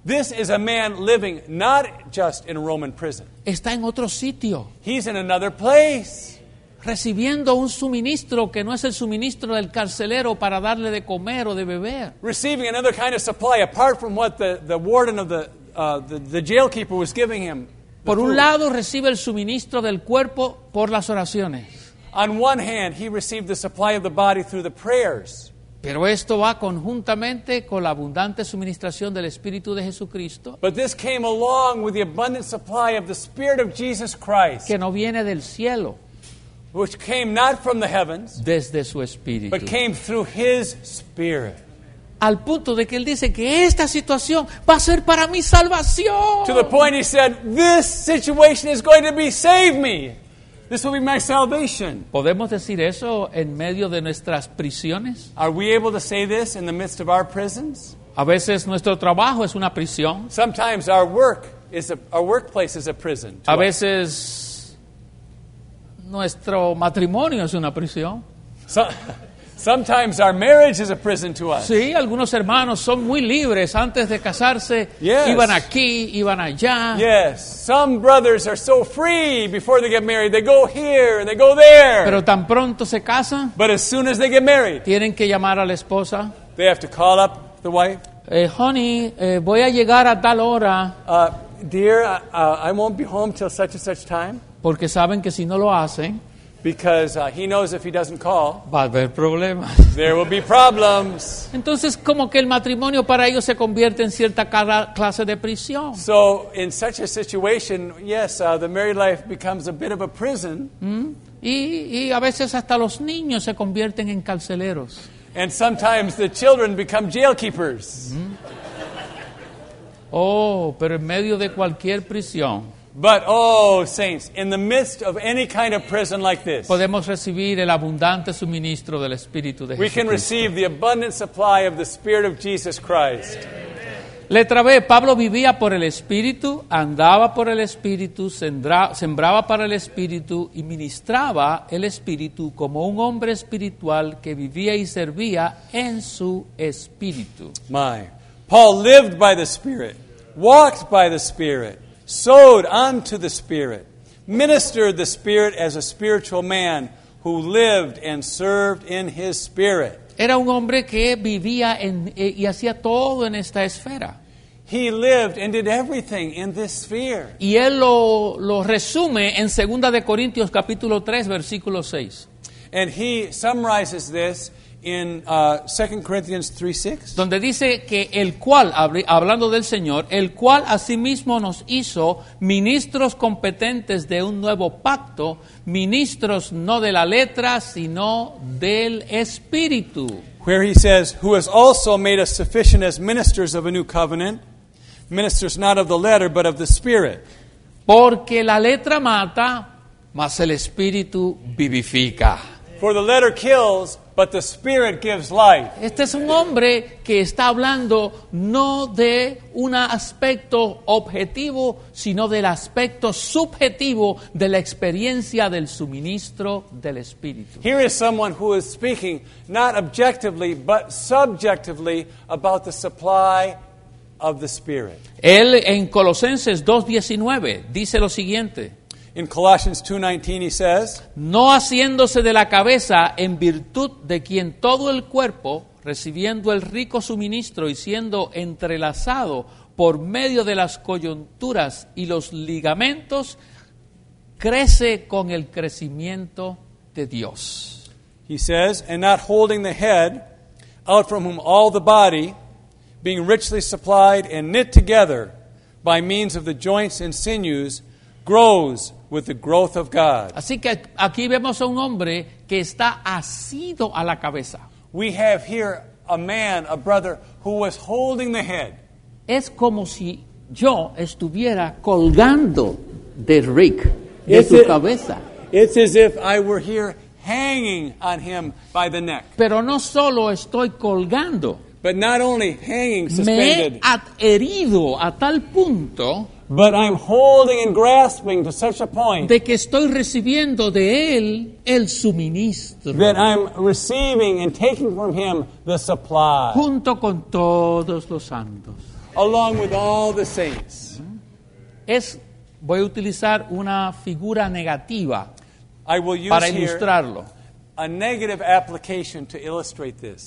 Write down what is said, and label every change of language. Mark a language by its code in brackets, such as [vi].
[en] This is a man living not just in a Roman prison. [es] Está en otro sitio. [en] He's in another place. [es] Recibiendo un suministro que no es el suministro del carcelero para darle de comer o de beber. [en] Receiving another kind of supply apart from what the warden of the jailkeeper was giving him. [es] Por un lado recibe el suministro del cuerpo por las oraciones. [en] On one hand, he received the supply of the body through the prayers. [es] Pero esto va conjuntamente con la abundante suministración del Espíritu de Jesucristo. [en] But this came along with the abundant supply of the Spirit of Jesus Christ. [es] Que no viene del cielo. [en] Which came not from the heavens. [es] Desde su Espíritu. [en] But came through his Spirit. [es] Al punto de que él dice que esta situación va a ser para mi salvación. [en] To the point he said, this situation is going to be save me. This will be my salvation. [es] ¿Podemos decir eso en medio de nuestras prisiones? [en] Are we able to say this in the midst of our prisons? [es] A veces nuestro trabajo es una prisión. [en] Sometimes our workplace is a prison. [es] A veces nuestro matrimonio es una prisión. [en] Sometimes our marriage is a prison to us. [es] Sí, algunos hermanos son muy libres antes de casarse. [en] Yes. [es] Iban aquí, iban allá. [en] Yes. Some brothers are so free before they get married. They go here and they go there. [es] Pero tan pronto se casan. [en] But as soon as they get married. [es] Tienen que llamar a la esposa. [en] They have to call up the wife. [es] Honey, voy a llegar a tal hora. [en] Dear, I won't be home till such and such time. [es] Porque saben que si no lo hacen. [en] Because he knows if he doesn't call, [es] va a haber problemas. [en] There will be problems. [es] Entonces, como que el matrimonio para ellos se convierte en cierta clase de prisión. [en] So, in such a situation, yes, the married life becomes a bit of a prison. Mm-hmm. [es] Y a veces hasta los niños se convierten en carceleros. [en] And sometimes the children become jailkeepers. Mm-hmm. [es] Oh, pero en medio de cualquier prisión. [en] But, oh, saints, in the midst of any kind of prison like this, [es] podemos recibir el abundante suministro del Espíritu de [en] Jesucristo. We can receive the abundant supply of the Spirit of Jesus Christ. [es] Letra B, Pablo vivía por el Espíritu, andaba por el Espíritu, sembraba para el Espíritu y ministraba el Espíritu como un hombre espiritual que vivía y servía en su Espíritu. [en] My, Paul lived by the Spirit. walked by the Spirit, sowed unto the Spirit, ministered the Spirit as a spiritual man who lived and served in his Spirit. [es] Era un hombre que vivía en, y hacía todo en esta esfera. [en] He lived and did everything in this sphere. [es] Y él lo resume en 2 de Corintios capítulo 3 versículo 6. [en] And he summarizes this in 2 Corinthians 3:6. [es] Donde dice que el cual, hablando del Señor, el cual asimismo nos hizo ministros competentes de un nuevo pacto, ministros no de la letra, sino del espíritu. [en] Where he says, who has also made us sufficient as ministers of a new covenant, ministers not of the letter, but of the Spirit. [es] Porque la letra mata, mas el espíritu vivifica. [en] For the letter kills, but the Spirit gives life. [es] Este es un hombre que está hablando no de un aspecto objetivo, sino del aspecto subjetivo de la experiencia del suministro del Espíritu. [en] Here is someone who is speaking not objectively, but subjectively about the supply of the Spirit. [es] Él en Colosenses 2:19 dice lo siguiente. [en] In Colossians 2:19 he says, [es] no haciéndose de la cabeza, en virtud de quien todo el cuerpo, recibiendo el rico suministro y siendo entrelazado por medio de las coyunturas y los ligamentos, crece con el crecimiento de Dios. [en] He says, and not holding the head, out from whom all the body, being richly supplied and knit together by means of the joints and sinews, grows with the growth of God. [es] Así que aquí vemos a un hombre que está asido a la cabeza. [en] We have here a man, a brother, who was holding the head. [es] Es como si yo estuviera colgando de Rick, de su cabeza. [en] It's as if I were here hanging on him by the neck. [es] Pero no solo estoy colgando. [en] But not only hanging, suspended. [es] Me he adherido a tal punto. [en] But I'm holding and grasping to such a point. [es] De que estoy recibiendo de él el suministro. [en] That I'm receiving and taking from him the supply. [es] Junto con todos los santos. [en] Along with all the saints. [es] Voy a utilizar una figura negativa. [en] I will use [es] para ilustrarlo. [en] A negative application to illustrate this.